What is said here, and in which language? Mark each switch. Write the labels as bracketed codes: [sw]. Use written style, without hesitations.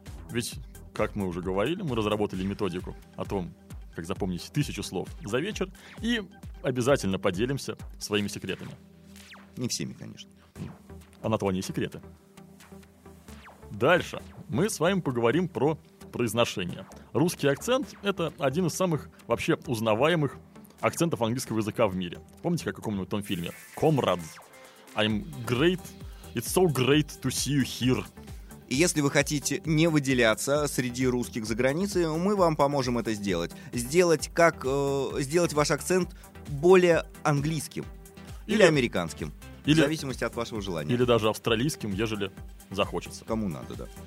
[ru] Ведь, как мы уже говорили, мы разработали методику о том, как запомнить 1000 слов за вечер, и обязательно поделимся своими секретами. Не всеми, конечно. А на то они секреты. Дальше мы с вами поговорим про произношение. Русский акцент — это один из самых вообще узнаваемых акцентов английского языка в мире. Помните, как в каком-нибудь том фильме? [en] Comrades, I'm great, it's so great to see you here. [ru] И если вы хотите не выделяться среди русских за границей, мы вам поможем это сделать. Сделать ваш акцент более английским или американским. Или, в зависимости от вашего желания. Или даже австралийским, ежели захочется. Кому надо, да.